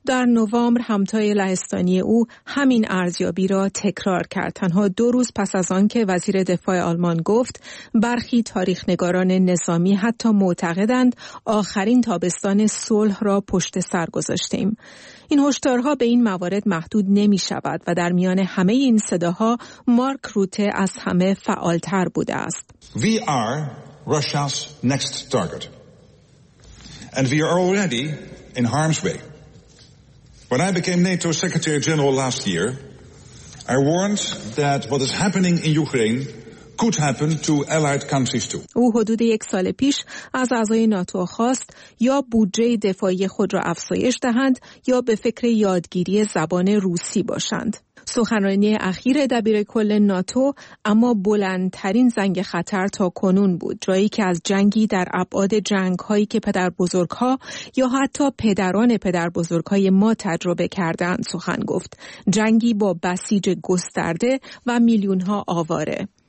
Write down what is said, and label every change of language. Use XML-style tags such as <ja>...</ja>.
<fa>در نوامبر همتای لهستانی او همین ارزیابی را تکرار کرد، تنها 2 روز پس از آن که وزیر دفاع آلمان گفت برخی تاریخ نگاران نظامی حتی معتقدند آخرین تابستان صلح را پشت سر گذاشتیم. این هشدارها به این موارد محدود نمی شود و در میان همه این صداها مارک روته از همه فعالتر بوده است.</fa> <en>We are Russia's next target and we are already in harm's way. When I became NATO Secretary General last year, I warned that what is happening in Ukraine could happen to allied countries too.</en> <fa>او حدود 1 سال پیش از اعضای ناتو خواست یا بودجه دفاعی خود را افزایش دهند یا به فکر یادگیری زبان روسی باشند. سخنرانی اخیر دبیر کل ناتو اما بلندترین زنگ خطر تا کنون بود، جایی که از جنگی در ابعاد جنگ‌هایی که پدر بزرگ‌ها یا حتی پدران پدر بزرگ‌های ما تجربه کردند سخن گفت، جنگی با بسیج گسترده و میلیون‌ها آواره.</fa>